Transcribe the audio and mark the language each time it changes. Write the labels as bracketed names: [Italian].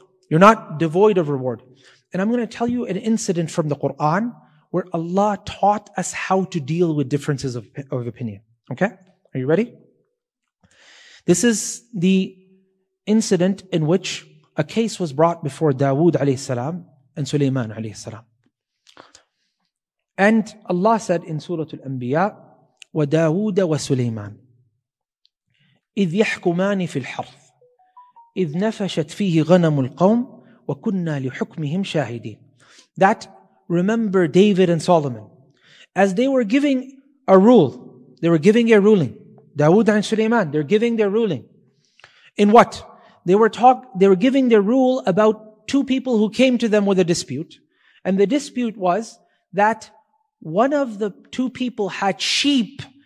[English] You're not devoid of reward. And I'm going to tell you an incident from the Quran where Allah taught us how to deal with differences of opinion. Okay, are you ready? This is the incident in which a case was brought before Dawood alayhi salam and Sulaiman alayhi salam. And Allah said in Surah Al-Anbiya, [Arabic] وَدَاوُودَ وَسُلَيْمَانَ إِذْ يَحْكُمَانِ فِي الْحَرْثِ إِذْ نَفَشَتْ فِيهِ غَنَمُ الْقَوْمِ وَكُنَّا لِحُكْمِهِمْ شَاهِدِينَ. [English] That, remember David and Solomon, as they were giving a rule. They were giving a ruling. Dawood and Sulaiman, they're giving their ruling. In what? They were giving their rule about two people who came to them with a dispute. And the dispute was that one of the two people had sheep.